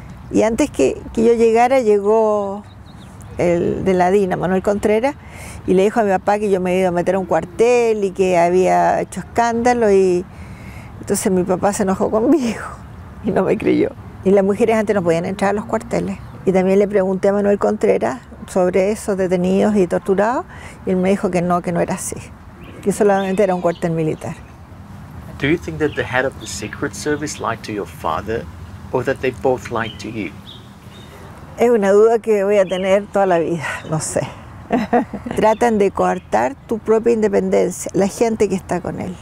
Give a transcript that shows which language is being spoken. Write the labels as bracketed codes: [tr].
[es] Y antes que yo llegara, llegó el de la DINA, Manuel Contreras, y le dijo a mi papá que yo me había ido a meter a un cuartel y que había hecho escándalo, y entonces mi papá se enojó conmigo y no me creyó. Y las mujeres antes no podían entrar a los cuarteles. Y también le pregunté a Manuel Contreras sobre esos detenidos y torturados, y él me dijo que no era así, que solamente era un cuartel militar. [en] Do you think that the head of the Secret Service lied to your father, or that they both lied to you? [es] Es una duda que voy a tener toda la vida, no sé. Tratan de coartar tu propia independencia, la gente que está con él.